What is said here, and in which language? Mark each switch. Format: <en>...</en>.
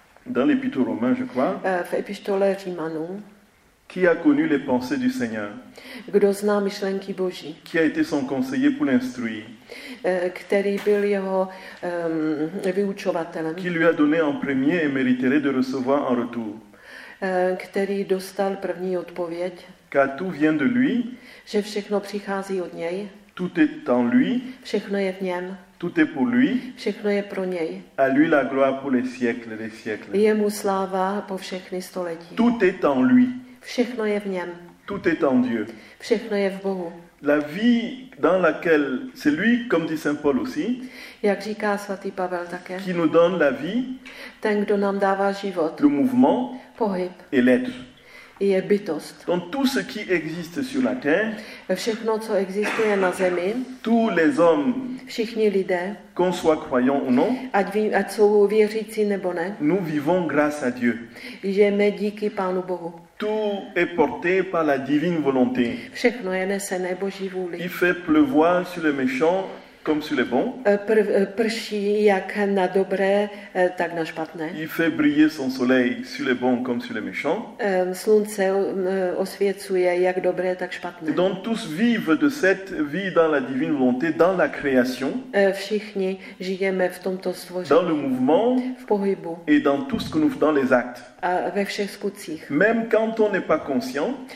<fr>dans l'épître aux Romains, je crois,</fr> <cs>v epištole Římanům,</cs> <fr>qui a connu les pensées du Seigneur?</fr> <cs>Kdo zná myšlenky Boží?</cs> <fr>Qui a été son conseiller pour l'instruire?</fr> <cs>Který byl jeho vyučovatelem?</cs> <fr>Qui lui a donné en premier et mériterait de recevoir en retour?</fr> <cs>Který dostal první odpověď?</cs> <fr>Car tout vient de lui.</fr> <cs>Že všechno přichází od něj.</cs> <fr>Tout est en lui.</fr> <cs>Všechno je v něm.</cs> <fr>Tout est pour lui.</fr> <cs>Všechno je pro něj.</cs> <fr>À lui la gloire pour les siècles des siècles.</fr> <cs>Jemu sláva po všechny století.</cs> <fr>Tout est en lui.</fr> <cs>Všechno je v něm.</cs> <fr>Tout est en Dieu.</fr> <cs>Všechno je v Bohu.</cs> <fr>La vie dans laquelle c'est lui, comme dit Saint Paul aussi.</fr> <cs>Jak říká svatý Pavel také.</cs> <fr>Qui nous donne la vie.</fr> <cs>Ten, kdo nám dává život.</cs> <fr>Le mouvement.</fr> <cs>Pohyb.</cs> <fr>Et l'être.</fr> <cs>Je bytost.</cs> <fr>Donc tout ce qui existe sur la terre.</fr> <cs>Všechno, co existuje na zemi.</cs> <fr>Tous les hommes.</fr> <cs>Všichni lidé.</cs> <fr>Qu'on soit croyant ou non.</fr> <cs>Ať jsou věřící nebo ne.</cs> <fr>Nous vivons grâce à Dieu.</fr> <cs>Žijeme díky Pánu Bohu.</cs> <fr>Tout est porté par la divine volonté.</fr> <cs>Všechno je nesené Boží vůli.</cs> <fr>Il fait pleuvoir sur les méchants comme sur les bons.</fr> <cs>Prší jak na dobré, tak na špatné.</cs> <fr>Il fait briller son soleil sur les bons comme sur les méchants.</fr> <cs>Slunce osvěcuje jak dobré, tak špatné.</cs> <fr>Et donc tous vivent de cette vie dans la divine volonté, dans la création.</fr> <cs>Všichni žijeme v tomto stvoření.</cs> <fr>Dans le mouvement.</fr> <cs>V pohybu.</cs> <fr>Et dans tout ce que nous faisons, les actes.</fr> <cs>A ve všech skutcích.</cs> <fr>Même quand on n'est pas conscient,</fr>